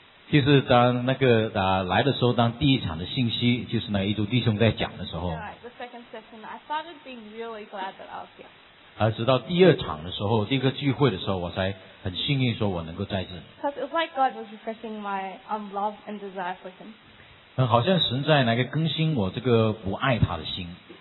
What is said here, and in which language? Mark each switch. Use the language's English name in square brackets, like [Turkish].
[Chinese] 就是当那个来的时候，当第一场的信息就是那一组弟兄在讲的时候。 [English] Right, the second session, I started being really glad that I was here. [Chinese] 直到第二场的时候，第一个聚会的时候，我才很幸运说我能够在这。 [English] Because it was like God was refreshing my love and desire for Him. [Chinese] 好像神在那个更新我这个不爱他的心。